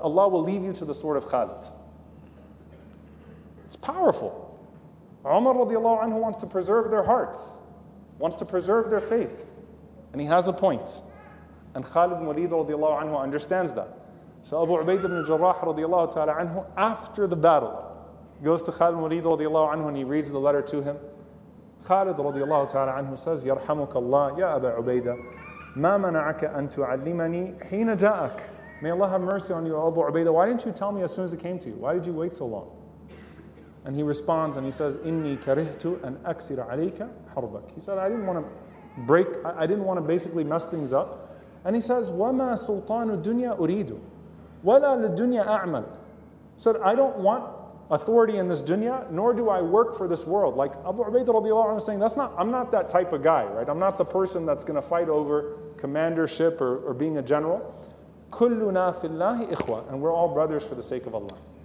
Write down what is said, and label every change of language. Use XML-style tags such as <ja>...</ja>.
<en>Allah will leave you to the sword of Khalid. It's powerful. Umar radiallahu anhu wants to preserve their hearts. wants to preserve their faith. And he has a point. And Khalid ibn Walid radiallahu anhu understands that. So Abu Ubaid ibn Jarrah radiallahu ta'ala anhu, after the battle, goes to Khalid ibn Walid radiallahu anhu and he reads the letter to him.</en> <ar>Khalid radiallahu ta'ala anhu says, يَرْحَمُكَ اللَّهِ يَا أَبَا عُبَيْدَ مَا مَنَعَكَ أَن تُعَلِّمَنِي حِينَ جَاءَكَ.</ar> <en>May Allah have mercy on you, Abu Ubaid. Why didn't you tell me as soon as it came to you? Why did you wait so long? And he responds and he says,</en> <ar>إِنِّي كَرِهْتُ أَن أَكْسِرَ عَلَيْكَ حَرْبَكَ.</ar> <en>He said, I didn't want to basically mess things up. And he says,</en> <ar>وَمَا سُلْطَانُ الدُّنْيَا أُرِيدُ وَلَا لِلدُّنْيَا أَعْمَلُ.</ar> <en>He said, I don't want authority in this dunya, nor do I work for this world. Like Abu Ubaid radiallahu anhu is saying, I'm not that type of guy, right? I'm not the person that's going to fight over commandership or being a general.</en> <ar>كُلُّنَا فِي اللَّهِ إِخْوَةً.</ar> <en>And we're all brothers for the sake of Allah.</en>